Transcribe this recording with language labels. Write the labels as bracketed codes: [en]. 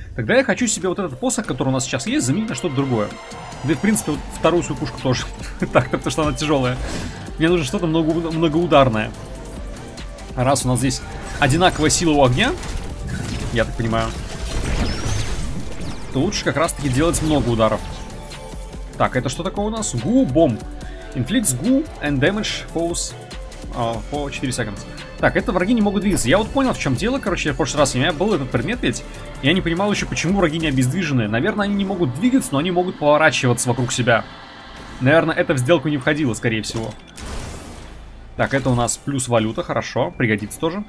[ru] Тогда я хочу себе вот этот посох, который у нас сейчас есть, заменить на что-то другое. Да и, в принципе, вот вторую свою пушку тоже так-то, потому что она тяжелая. Мне нужно что-то многоударное. Раз у нас здесь одинаковая сила у огня, я так понимаю, то лучше как раз-таки делать много ударов. Так, это что такое у нас? Goo Bomb. [en] Inflicts goo and damage falls for 4 seconds. [ru] Так, это враги не могут двигаться. Я вот понял, в чем дело, короче, в прошлый раз у меня был этот предмет ведь. Я не понимал еще, почему враги не обездвижены. Наверное, они не могут двигаться, но они могут поворачиваться вокруг себя. Наверное, это в сделку не входило, скорее всего. Так, это у нас плюс валюта, хорошо. Пригодится тоже.